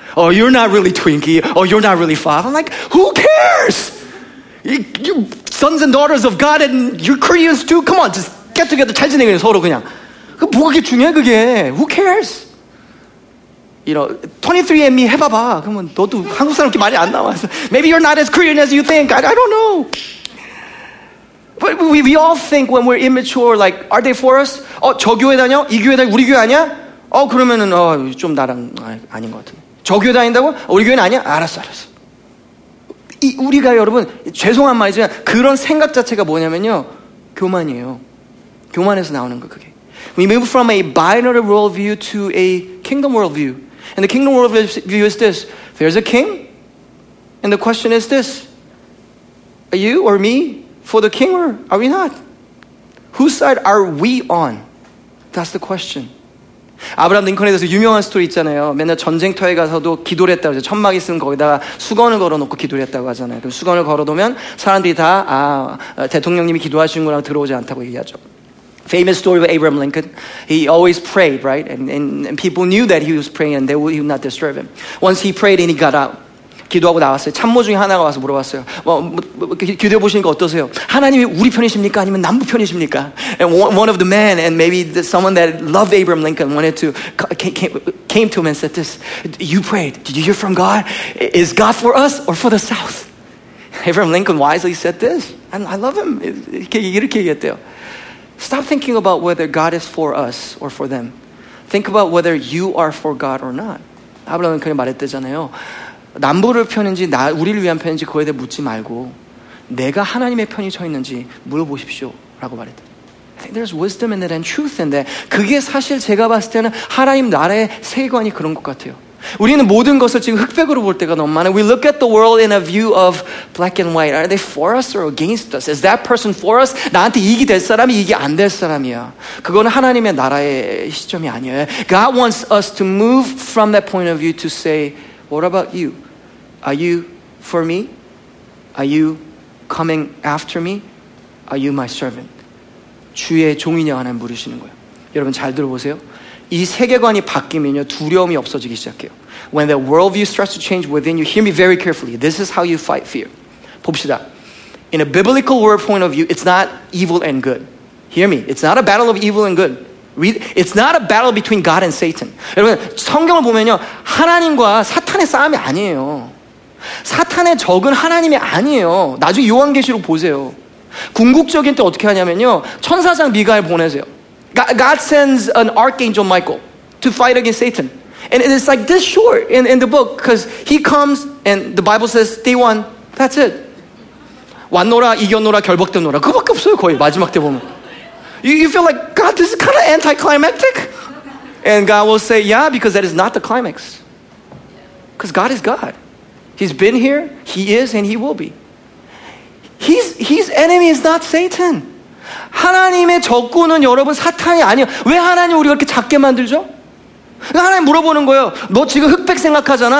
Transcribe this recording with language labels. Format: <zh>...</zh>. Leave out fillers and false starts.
<en>Oh, you're not really twinkie. Oh, you're not really flower. I'm like, who cares? You sons and daughters of God and you're Koreans too. Come on, just get together.</en> <ko>잘 지내고 그냥 서로 그냥. 그 뭐가 그렇게 중요해, 그게?</ko> <en>Who cares? You know, 23andMe</en> <ko>해봐봐. 그러면 너도 한국 사람 이렇게 말이 안 나와서.</ko> <en>Maybe you're not as Korean as you think. I don't know. But we all think when we're immature, like, are they for us?</en> <ko>어, 저 교회 다녀? 이 교회 다녀? 우리 교회 아니야? 어, 그러면은 어, 좀 나랑 아닌 것 같은데. 저 교회 다닌다고? 우리 교회는 아니야? 알았어, 알았어. 이 우리가 여러분, 죄송한 말이지만 그런 생각 자체가 뭐냐면요. 교만이에요. 교만에서 나오는 거 그게.</ko> <en>We move from a binary worldview to a kingdom worldview. And the kingdom worldview is this. There's a king. And the question is this. Are you or me for the king or are we not? Whose side are we on? That's the question.</en> <ko>아브라함 링컨에 대해서 유명한 스토리 있잖아요. 맨날 전쟁터에 가서도 기도를 했다고 하죠. 천막이 쓴 거기다가 수건을 걸어놓고 기도를 했다고 하잖아요. 그럼 수건을 걸어두면 사람들이 다 아, 대통령님이 기도하시는구나 들어오지 않다고 얘기하죠.</ko> <en>Famous story of Abraham Lincoln. He always prayed, right? And people knew that he was praying and he would not disturb him. Once he prayed and he got out.</en> <ko>기도하고 나왔어요. 참모 중에 하나가 와서 물어봤어요. 기도해 보시는 거 어떠세요? 하나님이 우리 편이십니까? 아니면 남부 편이십니까?</ko> <en>And one of the men and maybe someone that loved Abraham Lincoln wanted to came to him and said this. You prayed. Did you hear from God? Is God for us or for the South? Abraham Lincoln wisely said this. And I love him.</en> <ko>이렇게 얘기했대요.</ko> <en>Stop thinking about whether God is for us or for them. Think about whether you are for God or not.</en> <ko>아브라함 링컨이 말했대잖아요. 남부를 편인지 우리를 위한 편인지 그거에 대해 묻지 말고 내가 하나님의 편이 서 있는지 물어보십시오 라고 말했대.</ko> <en>I think there's wisdom in that and truth in that.</en> <ko>그게 사실 제가 봤을 때는 하나님 나라의 세계관이 그런 것 같아요. 우리는 모든 것을 지금 흑백으로 볼 때가 너무 많아요.</ko> <en>We look at the world in a view of black and white. Are they for us or against us? Is that person for us?</en> <ko>나한테 이익이 될 사람이 이익이 안 될 사람이야. 그거는 하나님의 나라의 시점이 아니에요.</ko> <en>God wants us to move from that point of view to say, what about you? Are you for me? Are you coming after me? Are you my servant?</en> <ko>주의 종이냐 하나님 물으시는 거예요. 여러분 잘 들어보세요. 이 세계관이 바뀌면요 두려움이 없어지기 시작해요.</ko> <en>When the worldview starts to change within you, hear me very carefully. This is how you fight fear.</en> <ko>봅시다.</ko> <en>In a biblical world point of view, it's not evil and good. Hear me. It's not a battle of evil and good. It's not a battle between God and Satan.</en> <ko>여러분 성경을 보면요 하나님과 사탄의 싸움이 아니에요. 사탄의 적은 하나님이 아니에요. 나중에 요한계시록 보세요. 궁극적인 때 어떻게 하냐면요 천사장 미가엘 보내세요.</ko> <en>God sends an archangel Michael to fight against Satan. And it's like this short in the book because he comes and the Bible says day one, that's it.</en> <ko>왔노라, 이겼노라, 결박됐노라. 그거밖에 없어요 거의 마지막 때 보면.</ko> <en>You feel like, God, this is kind of anticlimactic. And God will say, yeah, because that is not the climax. Because God is God. He's been here, he is, and he will be. His enemy is not Satan.</en> <ko>하나님의 적군은 여러분 사탄이 아니에요. 왜 하나님 우리 그렇게 작게 만들죠? 하나님 물어보는 거예요. 너 지금 흑백 생각하잖아.</ko>